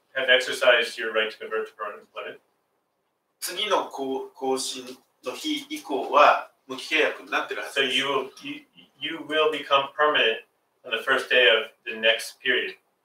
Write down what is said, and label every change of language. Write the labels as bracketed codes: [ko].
[en] have exercised your right to convert to permanent employment. [ja] 次の更新の日以降は無期契約になってるはずです。 [en] So you will become permanent on the first day of the next period.